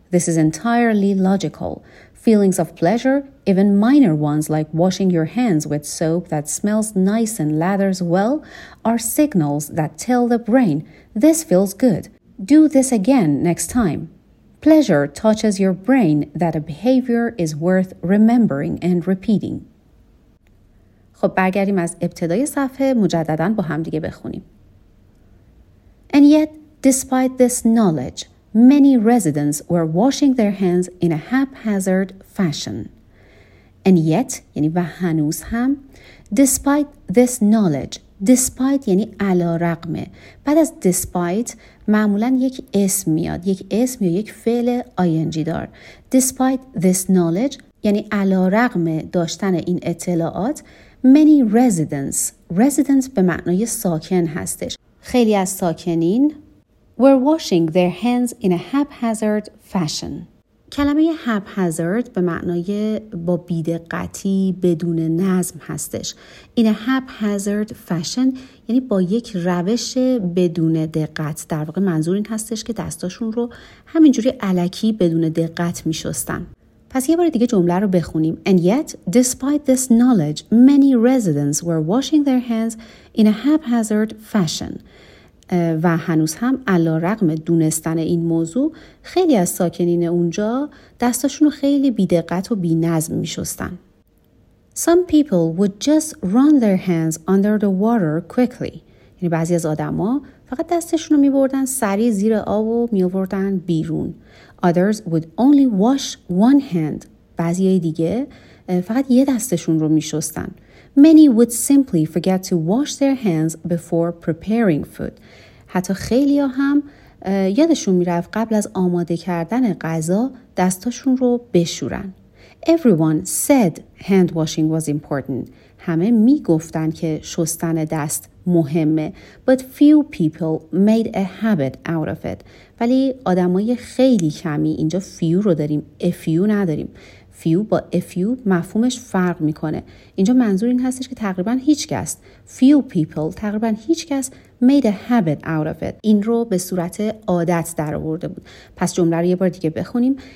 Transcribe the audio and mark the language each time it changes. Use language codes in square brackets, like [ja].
[en] This is entirely logical. Feelings of pleasure, even minor ones like washing your hands with soap that smells nice and lathers well, are signals that tell the brain, this feels good. Do this again next time. Pleasure touches your brain that a behavior is worth remembering and repeating. [fa] خب برگردیم از ابتدای صفحه مجدداً با هم دیگه بخونیم. [en] And yet, despite this knowledge, many residents were washing their hands in a haphazard fashion. And yet, [fa] یعنی و هنوز هم, [en] despite this knowledge, [fa] despite یعنی علی‌رغم, بعد از despite معمولاً یک اسم میاد, یک اسم یا یک فعل ing دار. [en] Despite this knowledge, [fa] یعنی علی‌رغم داشتن این اطلاعات, [en] many residents, [fa] residents به معنای ساکن هستش. خیلی از ساکنین, [en] were washing their hands in a haphazard fashion. [fa] کلمه haphazard به معنای با بیدقتی بدون نظم هستش. [en] In a haphazard fashion [fa] یعنی با یک روش بدون دقت. در واقع منظور این هستش که دستاشون رو همینجوری الکی بدون دقت می شستن. پس یه بار دیگه جمله رو بخونیم. [en] And yet, despite this knowledge, many residents were washing their hands in a haphazard fashion. [fa] و هنوز هم علی رغم دونستن این موضوع خیلی از ساکنین اونجا دستاشون رو خیلی بی‌دقت و بی‌نظم می‌شستن. [en] Some people would just run their hands under the water quickly. [fa] یعنی بعضی از آدما فقط دستشون رو می‌بردن سریع زیر آب و می‌آوردن بیرون. [en] Others would only wash one hand. [fa] بعضی دیگه فقط یه دستشون رو می‌شستن. [en] Many would simply forget to wash their hands before preparing food. [fa] حتی خیلی هم یادشون میرفت قبل از آماده کردن غذا دستاشون رو بشورن. [en] Everyone said hand washing was important. [fa] همه میگفتن که شستن دست مهمه. [en] But few people made a habit out of it. [fa] ولی آدمای خیلی کمی، اینجا few رو داریم، a few نداریم. Few با a few مفهومش فرق میکنه. اینجا منظور این هستش که تقریبا هیچ کس، [en] few people، [fa] تقریبا هیچ کس [en] made a habit out of it. [fa] این رو به صورت عادت درآورده بود. پس جمله رو یه بار دیگه بخونیم.